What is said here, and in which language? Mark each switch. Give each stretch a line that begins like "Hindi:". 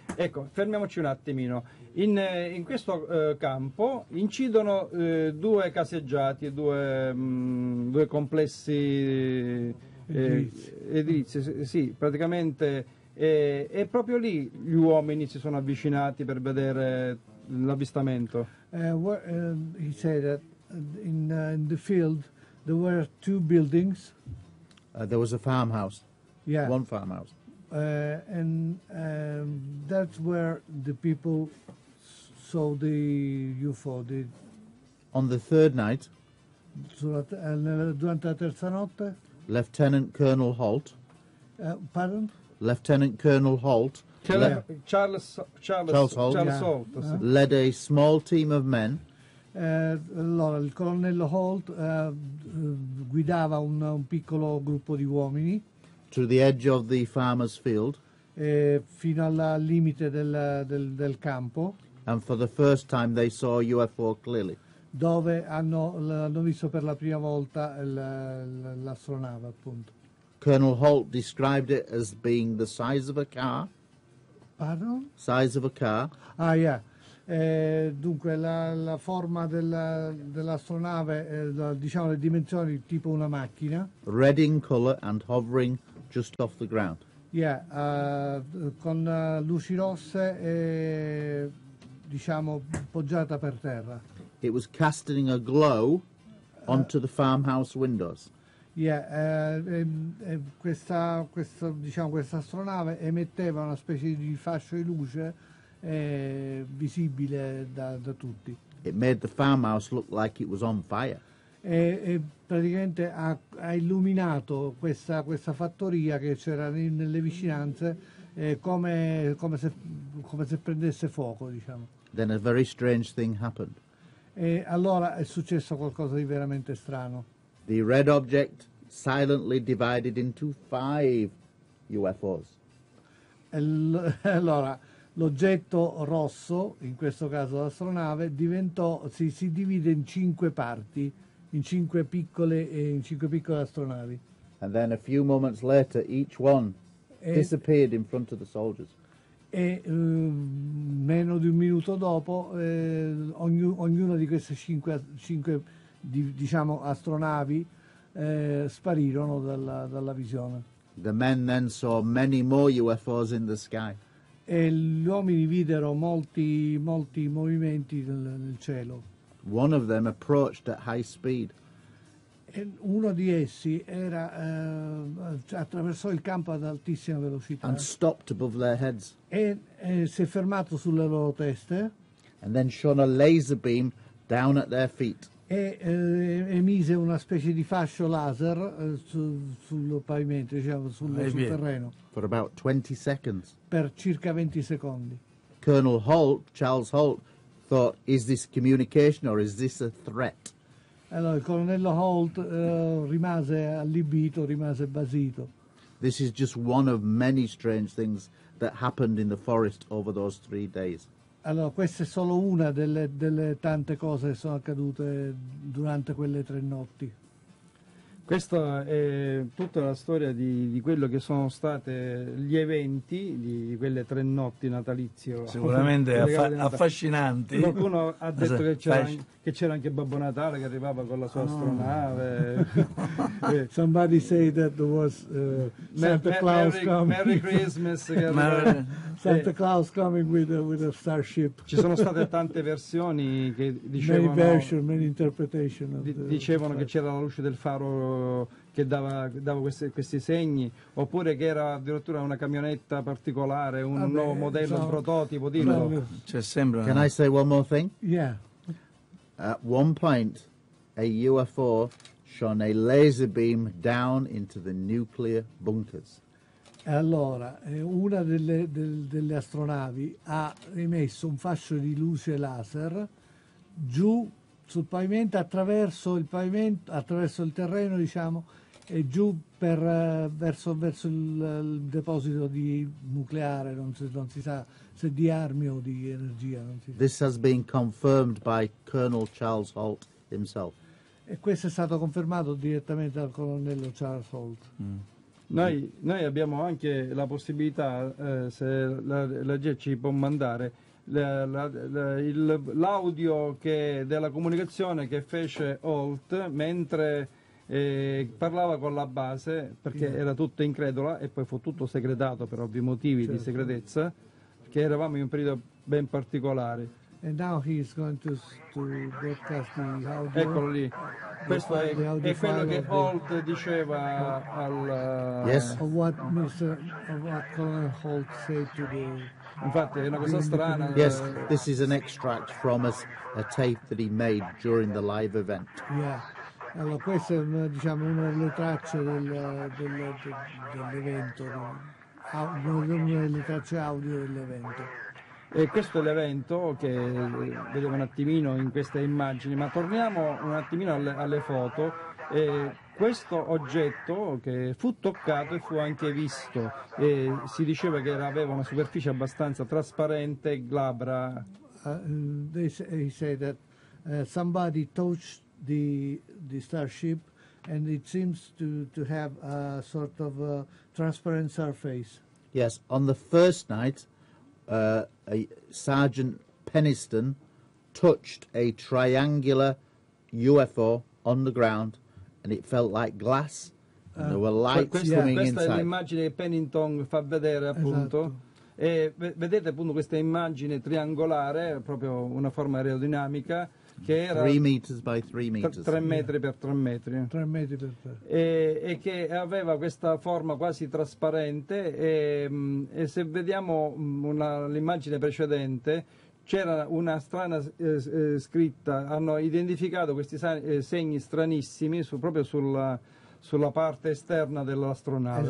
Italian: Ecco, fermiamoci un attimino. In questo campo incidono due caseggiati, due complessi edilizi. Sì, praticamente. E proprio lì gli uomini si sono avvicinati per vedere l'avvistamento.
English: He said that in the field there were two buildings. There was a farmhouse. Yeah. One farmhouse. And that's where the people saw the UFO. The on the third night,
Italian: durante la terza notte,
English: Lieutenant Colonel Holt. Pardon? Lieutenant Colonel Holt. Charles Holt. Led a small team of men.
Italian: Allora, il colonnello Holt guidava un piccolo gruppo di uomini.
English: To the edge of the farmer's field.
Italian: Fino al limite del campo.
English: And for the first time they saw UFO clearly.
Italian: Dove hanno visto per la prima volta l'astronave, appunto.
English: Colonel Holt described it as being the size of a car. Pardon? Size of a car. Ah, yeah.
Italian: Dunque, la forma dell'astronave, diciamo le dimensioni, tipo una macchina.
English: Red in color and hovering just off the ground. Yeah,
Italian: con luci rosse e, diciamo, poggiata per terra.
English: It was casting a glow onto the farmhouse windows. Yeah,
Italian: questa astronave emetteva una specie di fascio di luce visibile da tutti.
English: It made the farmhouse look like it was on fire.
Italian: E praticamente ha illuminato questa fattoria che c'era nelle vicinanze come se prendesse fuoco, diciamo.
English: Then a very strange thing happened.
Italian: E allora è successo qualcosa di veramente strano.
English: The red object silently divided into five UFOs.
Italian: Allora, l'oggetto rosso, in questo caso l'astronave, si divide in cinque parti, in cinque piccole astronavi.
English: And then a few moments later, each one disappeared in front of the soldiers.
Italian: E meno di un minuto dopo ognuna di queste cinque astronavi sparirono dalla visione.
English: The men then saw many more UFOs in the sky.
Italian: E gli uomini videro molti movimenti nel cielo.
English: One of them approached at high speed.
Italian: E uno di essi era attraversò il campo ad altissima velocità.
English: And stopped above their heads.
Italian: E si è fermato sulle loro teste.
English: And then shone a laser beam down at their feet.
Italian: E emise una specie di fascio laser sul pavimento, diciamo, sul terreno.
English: For about 20 seconds.
Italian: Per circa 20 secondi.
English: Colonel Holt, Charles Holt, thought, is this communication or is this a threat?
Italian: Allora, il colonnello Holt rimase allibito, rimase basito.
English: This is just one of many strange things that happened in the forest over those 3 days.
Italian: Allora, questa è solo una delle tante cose che sono accadute durante quelle tre notti. Questa è tutta la storia di quello che sono state gli eventi di quelle tre notti natalizie. Sicuramente affascinanti. Qualcuno ha detto che c'era anche Babbo Natale che arrivava con la sua astronave.
English: Somebody say that there was Santa Claus coming. Merry Christmas. Santa Claus coming with a starship.
Italian: Ci sono state tante versioni che dicevano.
English: Many versions, many interpretations.
Italian: Dicevano che c'era la luce del faro che dava questi segni, oppure che era addirittura una camionetta particolare, nuovo modello, un prototipo. Dillo. C'è sempre.
English: Can I say one more thing? Yeah. At one point, a UFO shone a laser beam down into the nuclear bunkers.
Italian: Allora, una delle astronavi ha emesso un fascio di luce laser giù sul pavimento, attraverso il terreno, diciamo, e giù verso il deposito di nucleare, non si sa se di armi o di energia. Non si sa.
English: This has been confirmed by Colonel Charles Holt himself.
Italian: E questo è stato confermato direttamente dal colonnello Charles Holt. Mm. Noi abbiamo anche la possibilità, se la GE ci può mandare, l'audio che della comunicazione che fece Holt mentre parlava con la base, perché era tutta incredula e poi fu tutto segretato per ovvi motivi di segretezza, perché eravamo in un periodo ben particolare.
English: And now he is going to broadcast the audio.
Italian: Eccolo lì. Questo è quello che Holt diceva al
English: yes. Of what Mr. of what Colonel Holt said to the.
Italian: Infatti è una cosa strana.
English: Yes, this is an extract from a tape that he made during the live event. Yeah.
Italian: Allora questa è diciamo una delle tracce dell'evento, una delle tracce audio dell'evento. E questo è l'evento che vediamo un attimino in queste immagini, ma torniamo un attimino alle foto. E questo oggetto che fu toccato e fu anche visto, e si diceva che aveva una superficie abbastanza trasparente, glabra.
English: They say that somebody touched the starship and it seems to have a sort of a transparent surface. Yes, on the first night a Sergeant Peniston touched a triangular UFO on the ground and it felt like glass and there were lights coming
Italian: questa
English: inside.
Italian: Questa è l'immagine che Pennington fa vedere appunto. Esatto. E vedete appunto questa immagine triangolare, proprio una forma aerodinamica che era
English: 3 meters by 3 meters.
Italian: 3 metri per 3 metri. 3 metri per 3. E che aveva questa forma quasi trasparente e se vediamo l'immagine precedente c'era una strana scritta, hanno identificato questi segni stranissimi proprio sulla parte esterna dell'astronave.